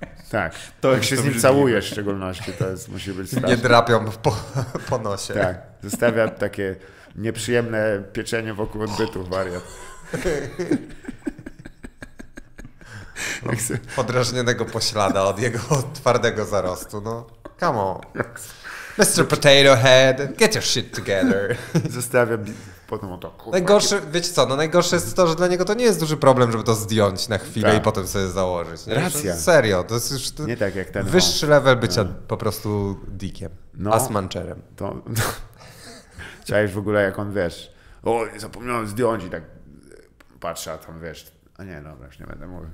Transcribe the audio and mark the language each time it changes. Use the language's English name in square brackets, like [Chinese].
[Polish] Tak, to jak się z nim całuje w szczególności, to jest, musi być straszne. Nie drapią po nosie. Tak, zostawia takie nieprzyjemne pieczenie wokół odbytu, wariat. No, podrażnionego poślada od jego twardego zarostu, no. [English] Come on. Mr. Potato Head, get your shit together. [Polish] Zostawia potem oto. Najgorsze, wiecie co, no najgorsze jest to, że dla niego to nie jest duży problem, żeby to zdjąć na chwilę, tak, i potem sobie założyć. Nie? Racja. Serio, to jest już to nie tak jak ten wyższy level bycia po prostu dickiem, no, assmancherem. To, no. Chciałeś w ogóle, jak on, wiesz, o, zapomniałem zdjąć i tak patrzę, a tam, wiesz, a nie, dobra, już nie będę mówił.